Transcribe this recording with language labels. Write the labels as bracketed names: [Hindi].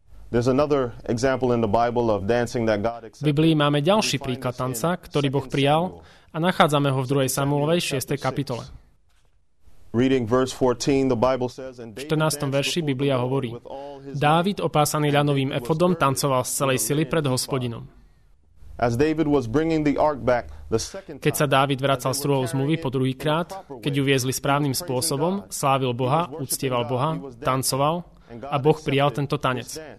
[Slovak] V Biblii máme ďalší príklad tanca, ktorý Boh prijal a nachádzame ho v 2. Samuelovej 6. kapitole. [English] Reading verse 14, the Bible says, and [Slovak] v 14. verši Biblia hovorí, Dávid, opásaný ľanovým efodom, tancoval z celej sily pred Hospodinom. Keď sa Dávid vracal z druhou zmluvy po druhýkrát, keď ju viezli správnym spôsobom, slávil Boha, uctieval Boha, tancoval a Boh prijal tento tanec.